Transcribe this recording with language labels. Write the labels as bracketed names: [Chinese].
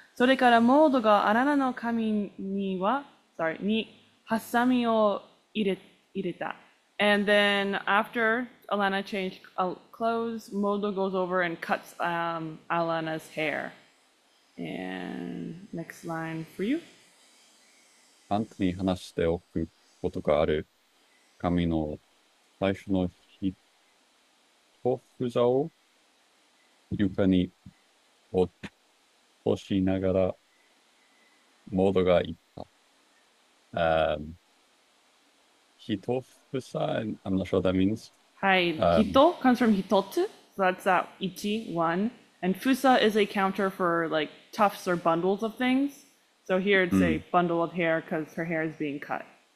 [Japanese] それからモードがアララの髪には、 [English] sorry, [Japanese] にハサミを入れた。 [English] And then after Alanna changed clothes, Modo goes over and cuts Alanna's hair. And next line for you. [Japanese] アントに話しておくことがある。髪の最初の一房を床に落としながら、モードが言った。 [English] 一房、I'm not sure what that means. Hi, hito comes from hitotsu, so that's ichi, one. And fusa is a counter for like tufts or bundles of things. So here it's a bundle of hair because her hair is being cut.